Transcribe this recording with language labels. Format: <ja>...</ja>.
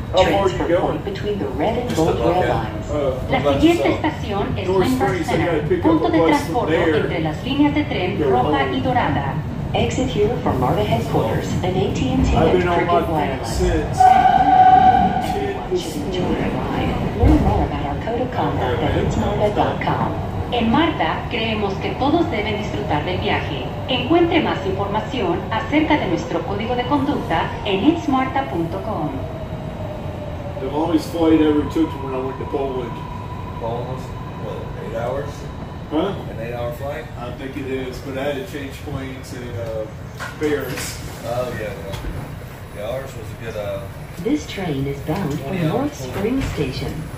<en>Transfer point between the red and gold rail lines.</en> <es>La siguiente estación es Lindbergh Center. Punto de transporte entre las líneas de tren Roja y Dorada.</es> <en>Exit here from MARTA headquarters and AT&T and Cricket Wireless. Learn more about our code of conduct at itsmarta.com.</en> <es>En MARTA creemos que todos deben disfrutar del viaje. Encuentre más información acerca de nuestro código de conducta en itsmarta.com.</es> <en>The longest flight I ever took when I went to Poland. Almost, what, 8 hours? Huh? An 8 hour flight? I think it is, but I had to change planes in Paris. Oh, yeah, well, yeah, ours was a good, This train is bound for North Spring Station.</en>